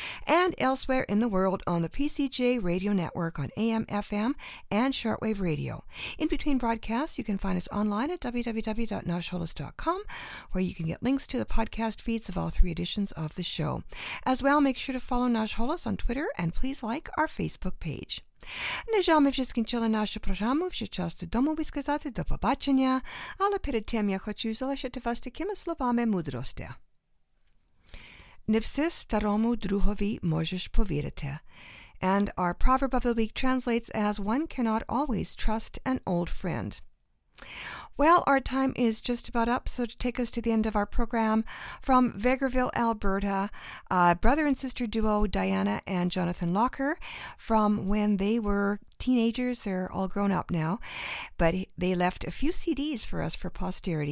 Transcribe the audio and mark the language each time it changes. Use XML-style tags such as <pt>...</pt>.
<en>And elsewhere in the world on the PCJ Radio Network on AM, FM, and shortwave radio. In between broadcasts, you can find us online at www.nashholos.com, where you can get links to the podcast feeds of all three editions of the show. As well, make sure to follow Nash Holos on Twitter and please like our Facebook page.</en> <uk>На жаль, ми вже скінчили нашу програму, вже час додому, би сказати, до побачення. Але перед тим я хочу залишити вас такими словами мудрості. Не все старому другові можеш повірити.</uk> <en>And our proverb of the week translates as, one cannot always trust an old friend. Well, our time is just about up, so to take us to the end of our program, from Vegreville, Alberta, brother and sister duo Diana and Jonathan Locker, from when they were teenagers, they're all grown up now, but they left a few CDs for us for posterity.</en>